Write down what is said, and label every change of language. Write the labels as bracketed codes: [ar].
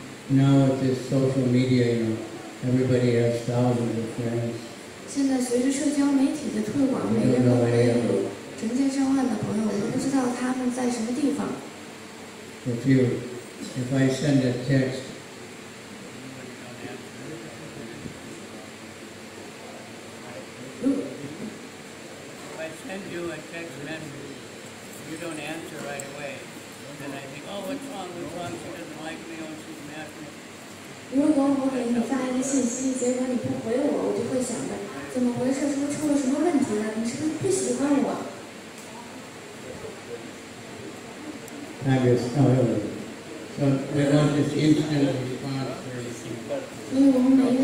[en] Now with this social media, you know, everybody has thousands of friends. [zh] 现在随着社交媒体的推广，每个人都会有成千上万的朋友，我们不知道他们在什么地方。 [en] If I send a text, if I send you a text message, you don't answer right away. Then I think, oh, what's wrong? What's wrong? She doesn't like me. Oh, she's mad at me. [zh] 如果我给你发一个信息，结果你不回我，我就会想着怎么回事，是不是出了什么问题了？你是不是不喜欢我？那个是讨厌的。 [en] So we want this instant response for everything.